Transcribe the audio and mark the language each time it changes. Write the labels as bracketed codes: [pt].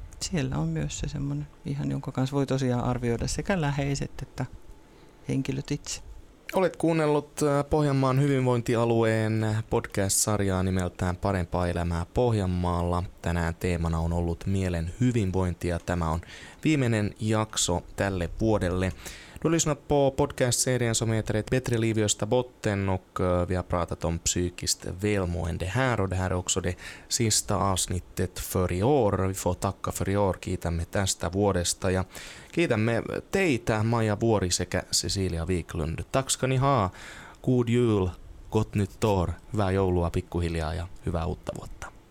[fi] Siellä on myös se semmoinen, ihan jonka kanssa voi tosiaan arvioida sekä läheiset että henkilöt itse. Olet kuunnellut Pohjanmaan hyvinvointialueen podcast-sarjaa nimeltään Parempaa elämää Pohjanmaalla. Tänään teemana on ollut mielen hyvinvointi ja tämä on viimeinen jakso tälle vuodelle. [sv] Du lyssnar på podcastserien som heter Ett bättre liv i Österbotten och vi har pratat om psykiskt välmående här och det här är också det sista avsnittet för i år. Vi får tacka för i år, [fi] kiitämme tästä vuodesta ja kiitämme teitä Maja Vuori sekä Cecilia Wiklund. [sv] Tack ska ni ha, god jul, gott nytt år, [fi] hyvää joulua pikkuhiljaa ja hyvää uutta vuotta.